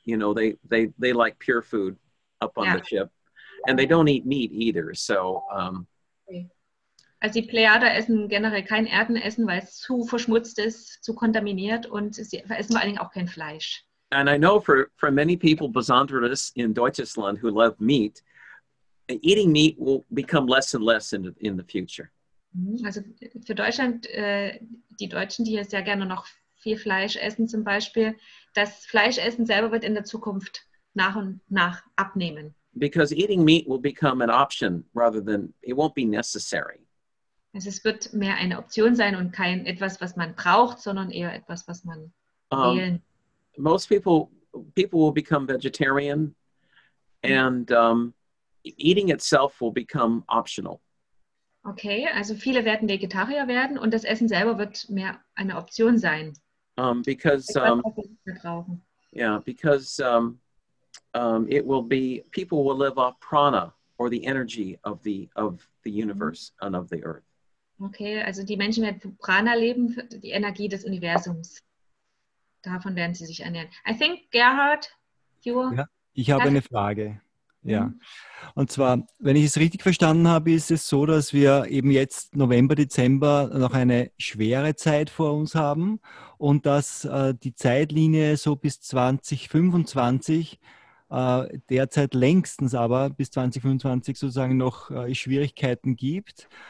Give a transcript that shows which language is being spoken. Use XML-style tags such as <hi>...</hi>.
<en>You know, they like pure food up on the ship. And they don't eat meat either, so.</en> <de>Also die Plejader essen generell kein Erdenessen, weil es zu verschmutzt ist, zu kontaminiert und sie essen vor allen Dingen auch kein Fleisch.</de> <en>And I know for many people,</en> <de>besonders in Deutschland,</de> <en>who love meat, eating meat will become less and less in the future.</en> <de>Also für Deutschland, die Deutschen, die hier sehr gerne noch viel Fleisch essen zum Beispiel, das Fleischessen selber wird in der Zukunft nach und nach abnehmen.</de> <en>Because eating meat will become an option rather than, it won't be necessary.</en> <de>Also es wird mehr eine Option sein und kein etwas, was man braucht, sondern eher etwas, was man wählen.</de> <en>Most people will become vegetarian and eating itself will become optional.</en> <de>Okay, also viele werden Vegetarier werden und das Essen selber wird mehr eine Option sein.</de> <en>Because</en> <de>etwas, was wir brauchen.</de> <en>Yeah, because It will be, people will live off prana, or the energy of the universe and of the earth.</en> <de>Okay, also die Menschen werden von Prana leben, die Energie des Universums. Davon werden sie sich ernähren.</de> <en>I think, Gerhard, you...</en> <de>Ja, ich habe eine Frage. Ja. Und zwar, wenn ich es richtig verstanden habe, ist es so, dass wir eben jetzt November, Dezember noch eine schwere Zeit vor uns haben und dass die Zeitlinie so bis 2025 derzeit längstens aber bis 2025 sozusagen noch Schwierigkeiten gibt.</de>